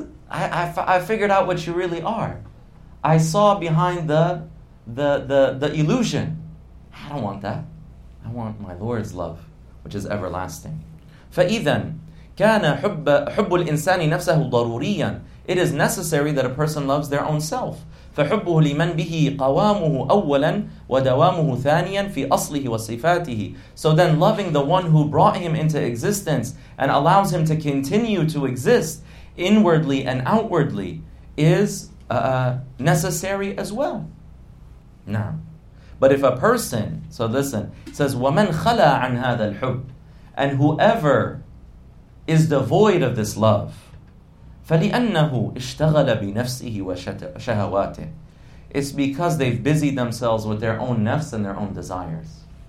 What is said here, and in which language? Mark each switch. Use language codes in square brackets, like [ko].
[en] I figured out what you really are. I saw behind the illusion. I don't want that. I want my Lord's love, which is everlasting. [ar] فَإِذًا كَانَ حُبُّ الْإِنسَانِ نَفْسَهُ ضَرُورِيًا. [en] It is necessary that a person loves their own self. [ar] فَحُبُّهُ لِمَنْ بِهِ قَوَامُهُ أَوَّلًا وَدَوَامُهُ ثَانِيًا فِي أَصْلِهِ وَصِفَاتِهِ. [en] So then loving the one who brought him into existence and allows him to continue to exist inwardly and outwardly is necessary as well. Now, but if a person, so listen, says, [ar] وَمَنْ خَلَى عَنْ هَذَا الْحُبُّ, [en] and whoever is devoid of this love, [ar] فَلِأَنَّهُ اشْتَغَلَ بِنَفْسِهِ وَشَهَوَاتِهِ, [en] it's because they've busied themselves with their own nafs and their own desires.